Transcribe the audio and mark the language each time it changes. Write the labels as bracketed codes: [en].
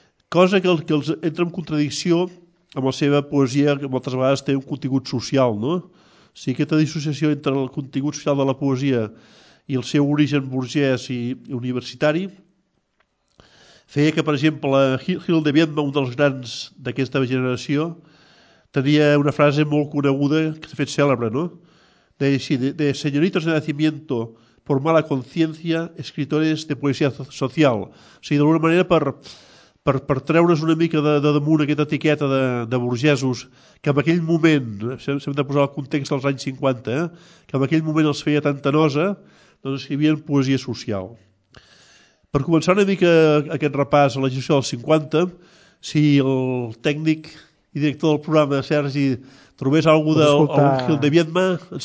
[ca] Cosa que els entra en contradicció amb la seva poesia, que moltes vegades té un contingut social, no? O sigui, aquesta dissociació entre el contingut social de la poesia i el seu origen burgès i universitari feia que, per exemple, Gil de Viedma, un dels grans d'aquesta generació, tenia una frase molt coneguda que s'ha fet cèlebre, no? [es] De señoritos de nacimiento por mala conciencia, escritores de poesía social. [ca] O sigui, d'alguna manera, per treure's una mica de damunt aquesta etiqueta de burgesos, que en aquell moment, s'hem de posar el context dels anys 50, que en aquell moment els feia tanta nosa, doncs escrivien poesia social. Per començar una mica aquest repàs a la generació dels 50, si el tècnic i director del programa, Sergi, trobés algun Gil de Viedma, et